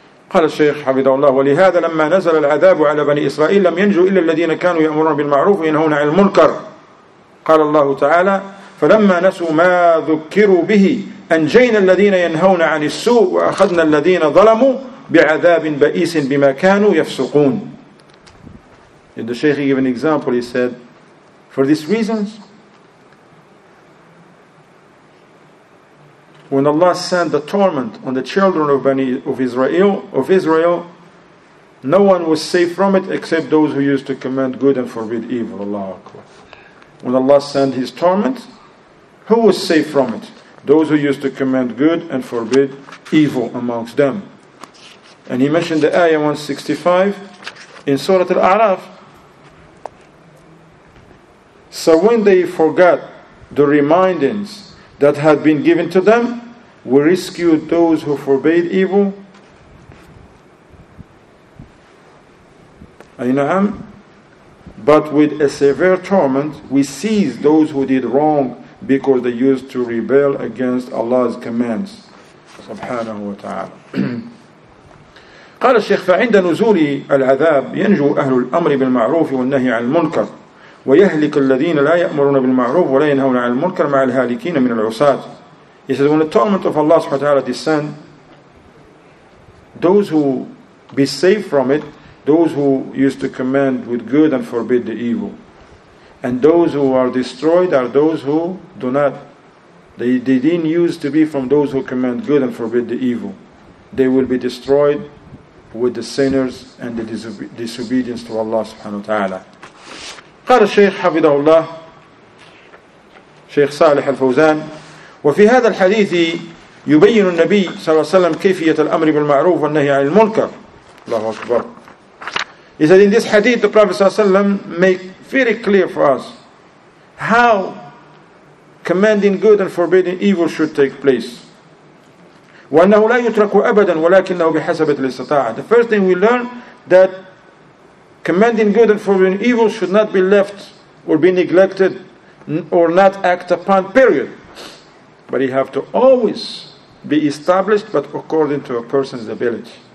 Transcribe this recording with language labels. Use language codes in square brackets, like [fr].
[ar] قال الشيخ حفظه الله ولهذا لما نزل العذاب على بني إسرائيل لم ينجوا إلا الذين كانوا يأمرون بالمعروف وينهون عن المنكر قال الله تعالى فلما نسوا ما ذكروا به أنجينا الذين ينهون عن السوء وأخذنا الذين ظلموا بعذاب بئيس بما كانوا يفسقون. [en] The Sheikh gave an example. He said, for these reasons, when Allah sent the torment on the children of Israel, no one was safe from it except those who used to command good and forbid evil. Allahu Akbar. When Allah sent His torment, who was safe from it? Those who used to command good and forbid evil amongst them. And he mentioned the ayah 165 in Surah Al-A'raf. So when they forgot the remindings that had been given to them, we rescued those who forbade evil. Aynaham. But with a severe torment, we seized those who did wrong because they used to rebel against Allah's commands. [ar] Subhanahu wa ta'ala. قال الشيخ فعند نزول العذاب ينجو أهل الأمر بالمعروف والنهي عن المنكر ويهلك الذين لا يأمرون بالمعروف ولا ينهون عن المنكر مع الهالكين من العصاة. [en] He says, when the torment of Allah subhanahu wa ta'ala descends, those who be safe from it, those who used to command with good and forbid the evil. And those who are destroyed are those who do not, they didn't used to be from those who command good and forbid the evil. They will be destroyed with the sinners and the disobedience to Allah subhanahu wa ta'ala. [ar] Qala Shaykh Hafidhahu Allah, Shaykh Salih Al-Fawzan, وفي هذا الحديث يبين النبي صلى الله عليه وسلم كيفية الأمر بالمعروف والنهي عن المنكر. الله أكبر. [en] He said in this hadith, the Prophet صلى الله عليه وسلم make very clear for us how commanding good and forbidding evil should take place. [ar] وأنه لا يترك أبدا ولكنه بحسب الاستطاعة. [en] The first thing we learn that commanding good and forbidding evil should not be left or be neglected or not act upon, period. But you have to always be established, but according to a person's ability.